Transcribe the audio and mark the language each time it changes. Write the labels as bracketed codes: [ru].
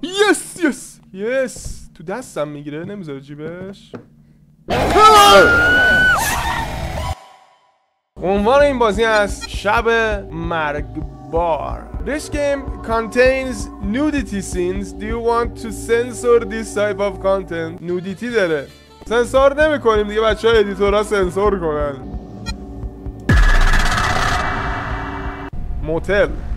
[fa] یس یس یس، تو دستم میگیره، نمیذاره جیبش. عنوان این بازی هست شب مرگبار. [en] This game contains nudity scenes. Do you want to censor this type of content? [fa] Nudity داره. سنسور نمیکنیم دیگه، بچه های ادیتور ها سنسور کنن. موتل.